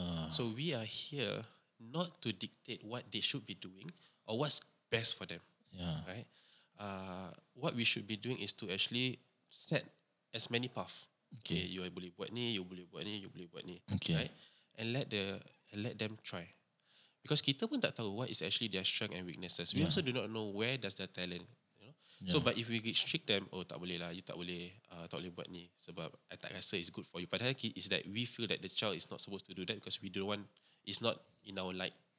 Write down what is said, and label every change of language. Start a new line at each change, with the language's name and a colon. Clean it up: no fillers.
English: So we are here not to dictate what they should be doing or what's best for them, yeah, right? What we should be doing is to actually set as many paths. Okay.
Malay: You are boleh buat ni, you boleh buat ni, you boleh buat ni, okay,
English: right? And let them try, because
Malay: kita pun tak tahu
English: what is actually their strength and weaknesses. We also do not know where does their talent, you know. So but if we restrict them,
Malay: oh tak boleh lah, you tak boleh tak boleh buat ni sebab
English: I tak rasa it's good for you.
Malay: Padahal
English: is that we feel that the child is not supposed to do that because we don't want, it's not in our light.